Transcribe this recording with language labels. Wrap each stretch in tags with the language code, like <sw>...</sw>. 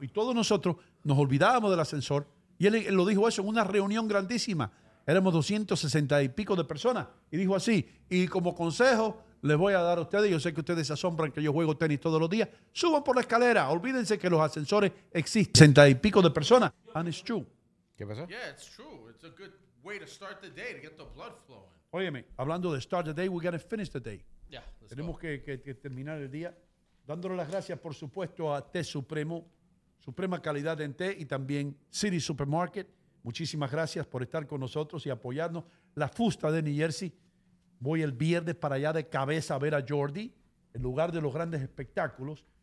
<es>Y todos nosotros nos olvidábamos del ascensor. Y él lo dijo eso en una reunión grandísima. Éramos 260 y pico de personas. Y dijo así, y como consejo les voy a dar a ustedes, yo sé que ustedes se asombran que yo juego tenis todos los días, suban por la escalera, olvídense que los ascensores existen. 60 y pico de personas.</es> <en>And it's true.</en> <es>¿Qué pasó?</es> <en>Yeah, it's true. It's a good way to start the day, to get the blood flowing.</en> <es>Óyeme, hablando de</es> <en>start the day, we got to finish the day. Yeah, let's tenemos go.</en> <es>Que terminar el día dándole las gracias, por supuesto, a Té Supremo, suprema calidad en té, y también City Supermarket. Muchísimas gracias por estar con nosotros y apoyarnos. La Fusta de New Jersey. Voy el viernes para allá de cabeza a ver a Jordi, el lugar de los grandes espectáculos.</es>